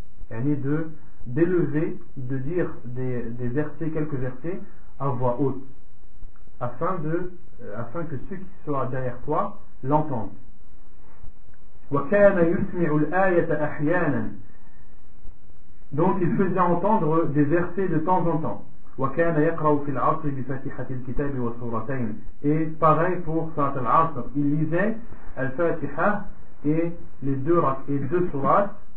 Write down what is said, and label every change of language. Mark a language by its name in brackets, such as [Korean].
[French] Et de d'élever, de dire des versets, quelques versets à voix haute, afin que ceux qui sont derrière toi l'entendent. [Arabic] وكان يسمع الآية أحيانا. [French] Donc il faisait entendre des versets de temps en temps. [Arabic] وكان يقرأ في العصر بفاتحة الكتاب وسورتين. [French] Et pareil pour صلاة العصر, il lisait الفاتحة et les deux sourates.